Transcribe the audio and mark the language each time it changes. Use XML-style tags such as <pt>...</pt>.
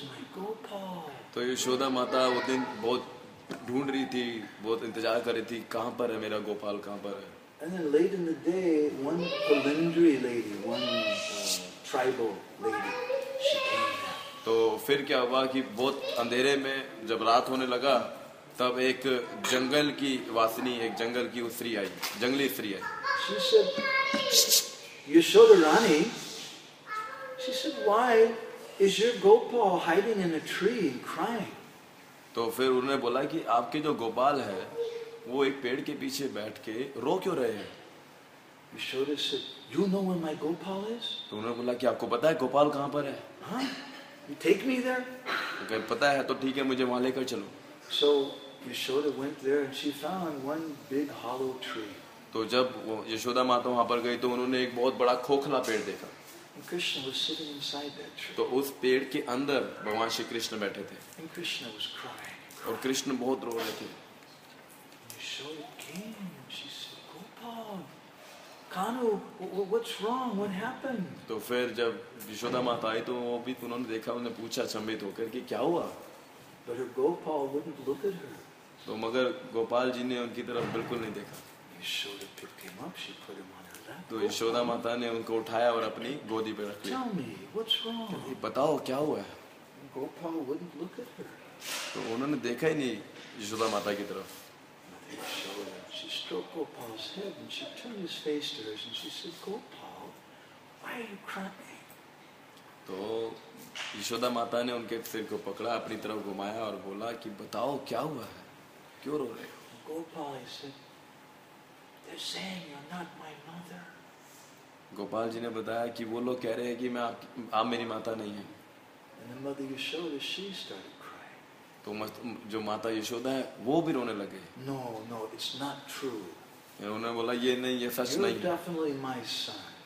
<hi>तो यशोदा माता उस दिन बहुत ढूंढ रही थी, बहुत इंतजार कर रही थी, कहाँ पर है मेरा गोपाल, कहाँ पर है।</hi> <en>And then late in the day, one Palindri lady, one tribal lady, she came down.</en> <hi>तो फिर क्या हुआ कि बहुत अंधेरे में जब रात होने लगा तब एक जंगल की वासिनी, एक जंगल की स्त्री आई, जंगली स्त्री आई।</hi> <en>She said, Yashoda Rani. She said, why is your Gopal hiding in a tree and crying?</en> <hi>तो फिर उन्होंने बोला कि आपके जो गोपाल है वो एक पेड़ के पीछे बैठ के रो क्यों रहे हैं?</hi> <en>Yashoda said, you know where my Gopal is?</en> <hi>तो उन्होंने बोला कि आपको पता है गोपाल कहाँ पर है?</hi> <en>Huh? You take me there?</en> <hi>तो कहे पता है तो ठीक है मुझे वहां लेकर चलो।</hi> <en>So Yashoda went there and she found one big hollow tree.</en> <hi>तो जब यशोदा माता वहां पर गई तो उन्होंने एक बहुत बड़ा खोखला पेड़ देखा।</hi> <en>And Krishna was sitting inside that tree.</en> <hi>तो उस पेड़ के अंदर भगवान श्री कृष्ण बैठे थे।</hi> <en>And Krishna was crying.</en> <hi>और कृष्ण बहुत रो रहे थे।</hi> <en>Yashoda came and she said, Gopal, Kanu, what's wrong? What happened?</en> <hi>तो फिर जब यशोदा माता आई तो वो भी उन्होंने देखा, उन्होंने पूछा चंबित होकर कि क्या हुआ?</hi> <en>But her Gopal wouldn't look at her.</en> <hi>तो मगर गोपाल जी ने उनकी तरफ बिल्कुल नहीं देखा।</hi> <en>Yashoda picked him up, she put him on her lap.</en> <hi>तो यशोदा माता ने उनको उठाया और अपनी गोदी पर रख लिया।</hi> <en>Tell me, what's wrong?</en> <hi>तो बताओ क्या हुआ?</hi> <en>Gopal wouldn't look at her.</en> <hi>तो उन्होंने देखा ही नहीं यशोदा माता की तरफ।</hi> <en>Yashoda, she stroked Gopal's head and she turned his face to hers and she said, Gopal, why are you crying?</en> <hi>तो यशोदा माता ने उनके सिर को पकड़ा, अपनी तरफ घुमाया और बोला कि बताओ क्या हुआ है, क्यों रो रहे हो?</hi> <en>Gopal said, they're saying you're not my mother.</en> <hi>Gopal ji ने बताया कि वो लोग कह रहे हैं कि मैं आप मेरी माता नहीं है।</hi> <en>And the mother Yashoda, she started crying.</en> <hi>तो जो माता यशोदा है वो भी रोने लगे।</hi> <en>No, no, it's not true.</en> <hi>उन्होंने बोला ये नहीं, ये सच</hi> <en>you're</en> <hi>नहीं</hi> <en>definitely my son.</en>